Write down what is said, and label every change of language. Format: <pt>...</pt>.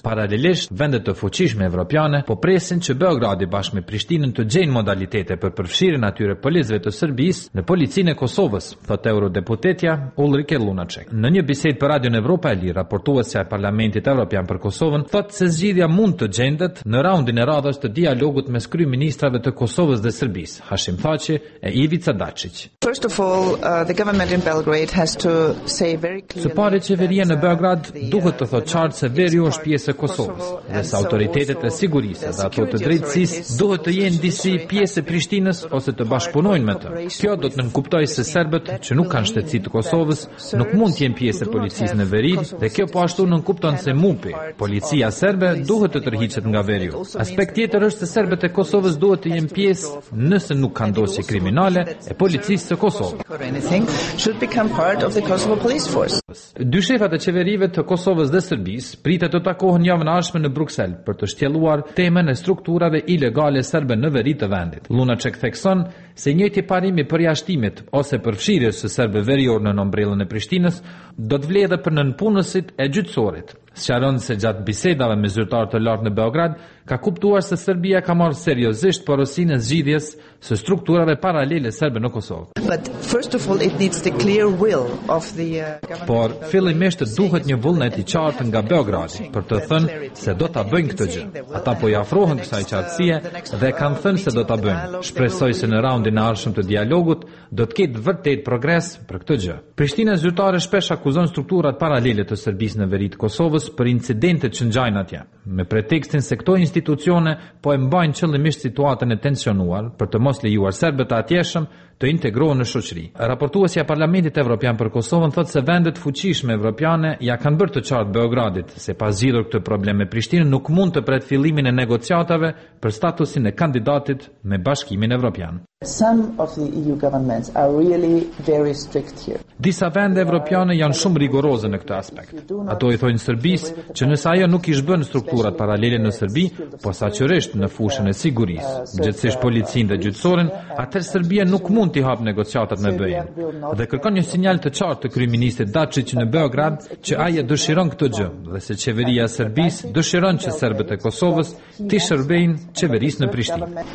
<sq>Paralelisht, vendet të fuqishme evropiane po presin që Beogradi bashkë me Prishtinën të gjejnë modalitete për përfshirjen atyre policëve të Serbisë në policinë e Kosovës, thotë eurodeputetja Ulrike Lunacek. Në një bisedë për Radio Evropa e Lirë, raportuesja e Parlamentit Evropian për Kosovën thotë se zgjidhja mund të gjendet në raundin e radhës të dialogut mes kryeministrave të Kosovës dhe Serbisë, Hashim Thaçi e Ivica Dačić.</sq> <en>First of all, the government in Belgrade has to say very clearly.</en> <sq>Së pari, qeveria në Beograd duhet të thotë qartë se veri është pjesë e Kosovës dhe se autoritetet e sigurisë dhe ato të drejtësisë duhet të jenë disi pjesë e Prishtinës ose të bashkëpunojnë me të. Kjo do të nënkuptojë se serbët që nuk kanë shtetësi të Kosovës nuk mund të jenë pjesë e policisë në veri dhe kjo po ashtu nënkupton se MUP-i, policia serbe, duhet të tërhiqet nga veri. Aspekt tjetër është se serbët e Kosovës duhet të jenë pjesë nëse nuk kanë dosje kriminale e policisë së Kosovës.</sq> <en>Should become part of the Kosovo police force.</en> <sq>Dy shefat e qeverive të Kosovës dhe Serbisë pritet të takohen javën e ardhshme në Bruksel për të shtjelluar temën e strukturave ilegale serbe në veri të vendit. Lunacek thekson se njëjti parimi për jashtimit ose përfshirjes së serbëve verior në ombrellën e Prishtinës do të vlejë edhe për nënpunësit e gjyqësorit. Sqaron se gjatë bisedave me zyrtarë të lartë në Beograd ka kuptuar se Serbia ka marrë seriozisht porosinë e zgjidhjes së strukturave paralele serbe në Kosovë.</sq> <en>But first of all it needs the clear will of the</en> <sq>Por fillimisht duhet një vullnet i qartë nga Beogradi për të thënë se do ta bëjnë këtë gjë. Ata po i afrohen kësaj qartësie dhe kanë thënë se do ta bëjnë. Shpresoj se në raundin e ardhshëm të dialogut do të ketë vërtet progres për këtë gjë. Prishtina zyrtare shpesh akuzon strukturat paralele të Serbisë në veri të Kosovës për incidentet që ngjajnë atje, me pretekstin se këto institucione po e mbajnë qëllimisht situatën e tensionuar për të mos lejuar serbët e atjeshëm të integrohen në shoqëri. Raportuesja e Parlamentit Evropian për Kosovën thotë se vendet fuqishme evropiane ja kanë bërë të qartë Beogradit se pas zgjidhur këtë problem me Prishtinën nuk mund të pret fillimin e negociatave për statusin e kandidatit me Bashkimin Evropian.</sq> <en>Some of the EU governments are really very strict here.</en> <sq>Disa vende evropiane janë shumë rigoroze në këtë aspekt. Ato i thonë Serbisë që nëse ajo nuk i zhbën strukturat paralele në Serbi, posaçërisht në fushën e sigurisë, gjithsesi policinë dhe gjyqësorin, atëherë Serbia nuk mund t'i hap negociatat me BE-n. Dhe kërkon një sinjal të qartë të kryeministit Dačić në Beograd që ai dëshiron këtë gjë dhe se qeveria e Serbisë dëshiron që serbët e Kosovës t'i shërbejnë qeverisë në Prishtinë.</sq>